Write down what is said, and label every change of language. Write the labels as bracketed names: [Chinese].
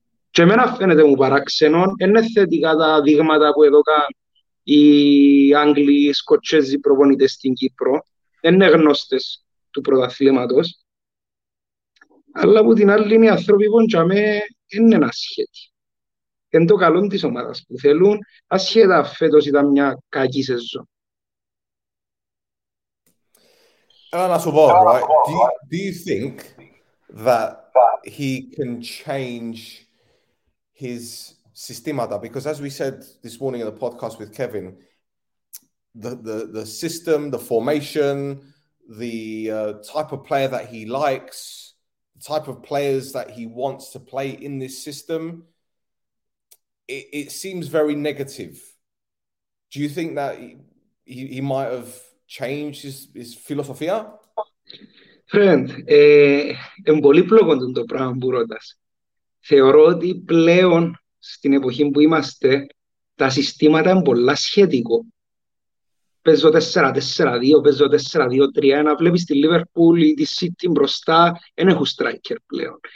[Greek] Και εμένα φαίνεται μου παράξενο, είναι θετικά τα δείγματα που εδώ κάνουν οι Άγγλοι, οι Σκοτσέζοι προπονητές στην Κύπρο, είναι γνώστες του πρωταθλήματος, αλλά από την άλλη είναι οι άνθρωποι που είναι ένα σχέδιο. Είναι το καλό της ομάδας που θέλουν, ασχέτα φέτος ήταν μια κακή σεζόν. Έλα να σου πω, [English] right? Do you think that he can change his systemata? Because as we said this morning in the podcast with Kevin, the system, the formation, the type of player that he likes, the type of players that he wants to play in this system, it seems very negative. Do you think that he might have changed his philosophia? [Greek] Φρέντ, εμπολύπλοκο το πράγμα που ρώτας. Θεωρώ ότι πλέον στην εποχή που είμαστε τα συστήματα είναι πολλά σχετικό. Παίζω 4-4-2, παίζω 4-2-3-1, βλέπεις τη Λίβερπουλ ή τη Σίτι μπροστά, δεν έχουν striker πλέον.